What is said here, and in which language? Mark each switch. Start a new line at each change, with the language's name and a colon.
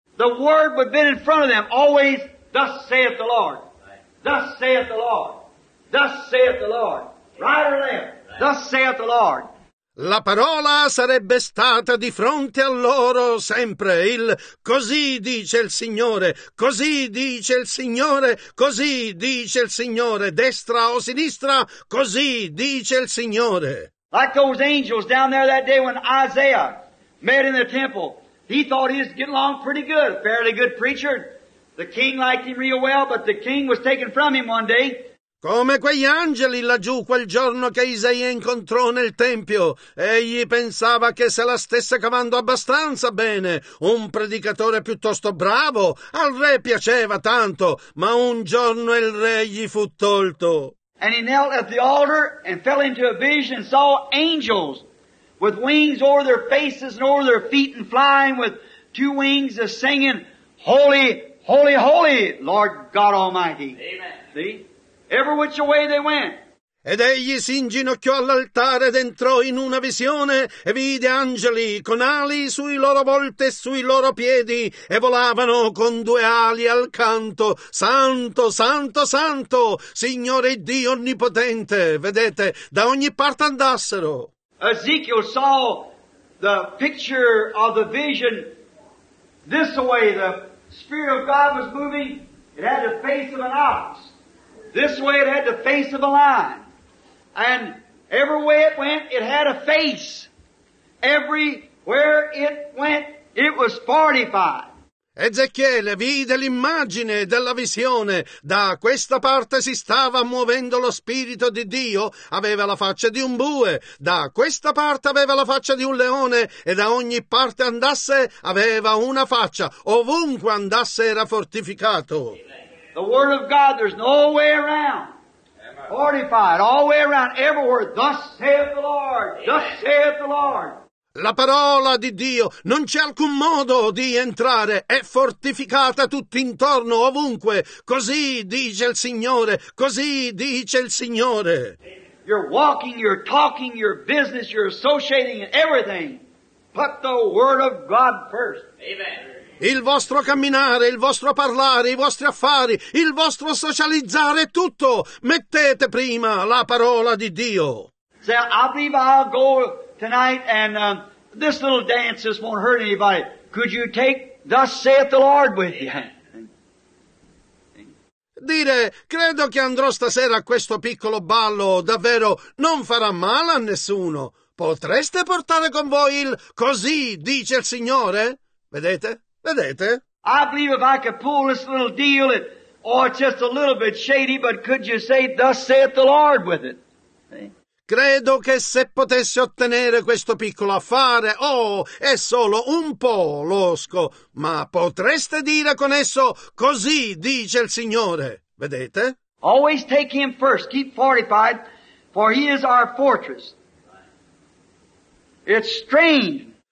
English: The word would have been in front of them always, thus saith the Lord, thus saith the Lord, thus saith the Lord, right or left, thus saith the Lord.
Italian: La parola sarebbe stata di fronte a loro sempre, il così dice il Signore, così dice il Signore, così dice il Signore, destra o sinistra, così dice il Signore.
English: Like those angels down there that day when Isaiah met in the temple, he thought he was getting along pretty good, fairly good preacher. The king liked him real well, but the king was taken from him one day.
Italian: Come quegli angeli laggiù quel giorno che Isaia incontrò nel Tempio. Egli pensava che se la stesse cavando abbastanza bene, un predicatore piuttosto bravo, al re piaceva tanto, ma un giorno il re gli fu tolto.
English: And he knelt at the altar and fell into a vision and saw angels with wings over their faces and over their feet and flying with two wings and singing, Holy, Holy, Holy, Lord God Almighty. Amen. See? Ever which way they went.
Italian: Ed egli si inginocchiò all'altare ed entrò in una visione e vide angeli con ali sui loro volti e sui loro piedi e volavano con due ali al canto. Santo, santo, santo, Signore Dio Onnipotente. Vedete, da ogni parte andassero.
English: Ezekiel saw the picture of the vision this way. The Spirit of God was moving. It had the face of an ox. This way it had the face of a lion. And every way it went, it had a face. Everywhere it went, it was fortified.
Italian: Ezechiele vide l'immagine della visione. Da questa parte si stava muovendo lo spirito di Dio. Aveva la faccia di un bue. Da questa parte aveva la faccia di un leone. E da ogni parte andasse, aveva una faccia. Ovunque andasse era fortificato.
English: The Word of God, there's no way around. Amen. Fortified, all way around, everywhere. Thus saith the Lord. Amen. Thus saith the Lord.
Italian: La parola di Dio, non c'è alcun modo di entrare. È fortificata tutt'intorno, ovunque. Così dice il Signore. Così dice il Signore. Amen.
English: You're walking, you're talking, your business, you're associating and everything. Put the Word of God first. Amen.
Italian: Il vostro camminare, il vostro parlare, i vostri affari, il vostro socializzare, tutto. Mettete prima la parola di Dio.
English: Say, I believe I'll go tonight and this little dance just won't hurt anybody. Could you take thus saith the Lord with you?
Italian: Dire, credo che andrò stasera a questo piccolo ballo, davvero non farà male a nessuno. Potreste portare con voi il così dice il Signore? Vedete? Vedete?
English: I believe if I could pull this little deal, it's just a little bit shady, but could you say, thus saith the Lord with it?
Italian: Credo che se potessi ottenere questo piccolo affare, è solo un po' losco, ma potreste dire con esso, così dice il Signore. Vedete?
English: Always take him first, keep fortified, for he is our fortress. It's strange.